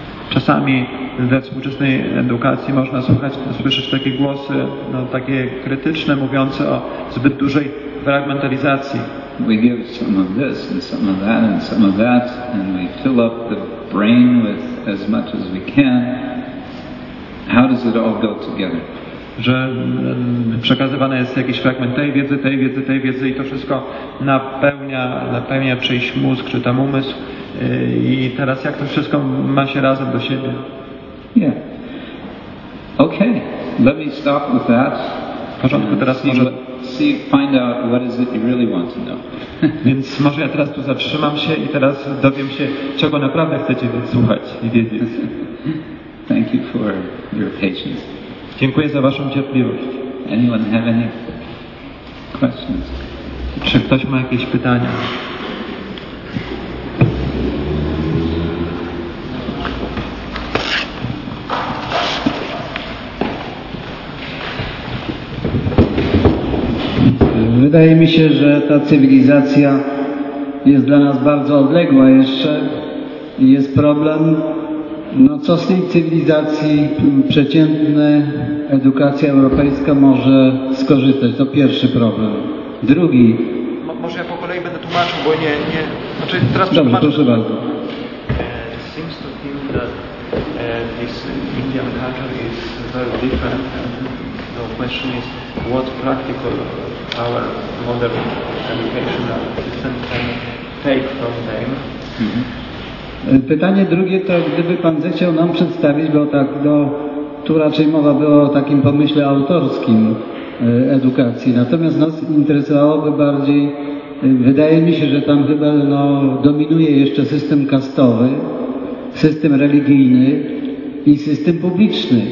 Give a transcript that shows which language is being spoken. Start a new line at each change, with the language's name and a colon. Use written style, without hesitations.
Polish: Czasami we współczesnej edukacji można słyszeć takie głosy, takie krytyczne, mówiące o zbyt dużej fragmentalizacji.
English: We give some of this and some of that and some of that, and we fill up the brain with as much as we can. How does it all go together?
Polish: Że przekazywane jest jakiś fragment tej wiedzy, tej wiedzy, tej wiedzy, i to wszystko napełnia czyjś mózg czy tam umysł. I teraz jak to wszystko ma się razem do siebie?
English: Yeah. Okay. Let me stop with that.
Polish: W porządku, teraz może
English: find out what is it you really want to know.
Polish: Więc może ja teraz tu zatrzymam się i teraz dowiem się, czego naprawdę chcecie wysłuchać i wiedzieć.
English: Thank you for your patience.
Polish: Dziękuję za waszą cierpliwość.
English: Anyone have any questions?
Polish: Czy ktoś ma jakieś pytania? Wydaje mi się, że ta cywilizacja jest dla nas bardzo odległa jeszcze i jest problem, co z tej cywilizacji przeciętna edukacja europejska może skorzystać. To pierwszy problem. Drugi. Może ja po kolei będę tłumaczył, bo nie. Znaczy teraz przetłumaczę. Dobrze, proszę bardzo.
English: Seems to think that this Indian culture is very different. The question is, what practical our modern educational system can take from them. Mm-hmm.
Polish: Pytanie drugie to, gdyby Pan zechciał nam przedstawić, bo tak do tu raczej mowa była o takim pomyśle autorskim edukacji. Natomiast nas interesowałoby bardziej, wydaje mi się, że tam chyba no, dominuje jeszcze system kastowy, system religijny i system publiczny.